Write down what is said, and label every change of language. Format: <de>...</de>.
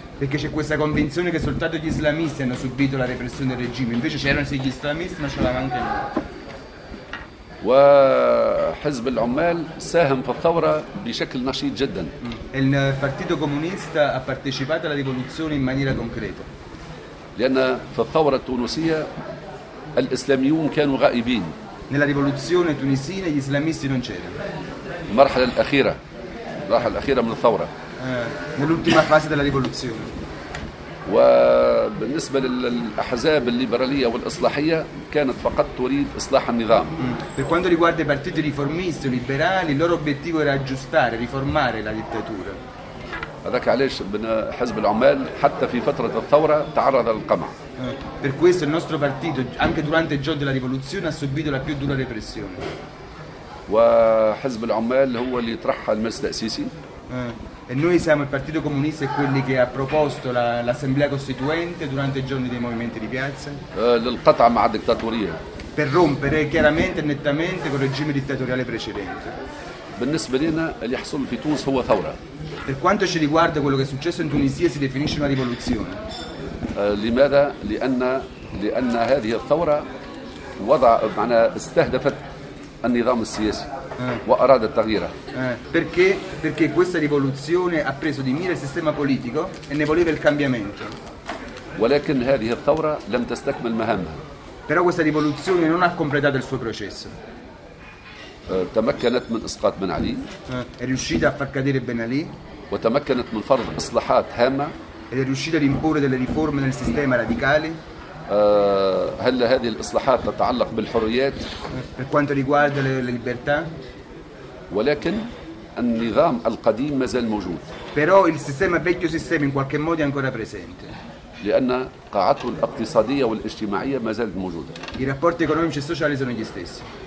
<it>Perché c'è questa convinzione che soltanto gli islamisti hanno subito la repressione del regime. Invece c'erano sì gli islamisti, ma c'erano anche noi.</it> <ar>وحزب العمال ساهم في الثورة بشكل نشيط جدا.</ar> <it>Il Partito Comunista ha partecipato alla rivoluzione in maniera concreta.</it> <ar>لأن في الثورة التونسية الإسلاميون كانوا غائبين.</ar> <it>Nella rivoluzione tunisina gli islamisti non c'erano.</it> <ar>المرحلة الأخيرة. المرحلة الأخيرة من الثورة.</ar> <it>Nell'ultima fase della rivoluzione.</it> <ar>وبالنسبة للأحزاب الليبرالية والإصلاحية كانت فقط تريد إصلاح النظام.</ar> <it>Per quanto riguarda i partiti riformisti o liberali, il loro obiettivo era aggiustare, riformare la dittatura.</it> <ar>هذاك علاش حزب العمال حتى في فترة الثورة تعرض للقمع.</ar> <it>Per questo il nostro partito anche durante il giorno della rivoluzione ha subito la più dura repressione.</it> <ar>وحزب العمال هو اللي طرح المجلس التأسيسي.</ar> <it>E noi siamo il Partito Comunista e quelli che ha proposto l'Assemblea Costituente durante i giorni dei movimenti di piazza.</it> <ar>للقطع مع الدكتاتورية.</ar> <it>Per rompere chiaramente e nettamente col regime dittatoriale precedente.</it> <ar>بالنسبة لنا اللي حصل في تونس هو ثورة.</ar> <it>Per quanto ci riguarda quello che è successo in Tunisia si definisce una rivoluzione.</it> <ar>لماذا؟ لأن هذه الثورة وضع معنا استهدفت النظام السياسي وأراد التغييره.</ar> <it>Perché questa rivoluzione ha preso di mira il sistema politico e ne voleva il cambiamento.</it> <ar>ولكن هذه الثورة لم تستكمل مهامها.</ar> <it>Però questa rivoluzione non ha completato il suo processo.</it> <ar>تمكنت من إسقاط بن علي.</ar> <it>È riuscita a far cadere Ben Ali.</it> <ar>وتمكنت من فرض إصلاحات هامة.</ar> <it>Ed è riuscita a imporre delle riforme nel sistema radicale.</it> <ar>هل هذه الإصلاحات تتعلق بالحريات؟</ar> <it>Per quanto riguarda le libertà.</it> <ar>ولكن النظام القديم ما زال موجود.</ar> <it>Però il sistema vecchio sistema in qualche modo è ancora presente.</it> <ar>لأن قاعته الاقتصادية والاجتماعية ما زالت موجودة.</ar> <it>I rapporti economici e sociali sono gli stessi.</it>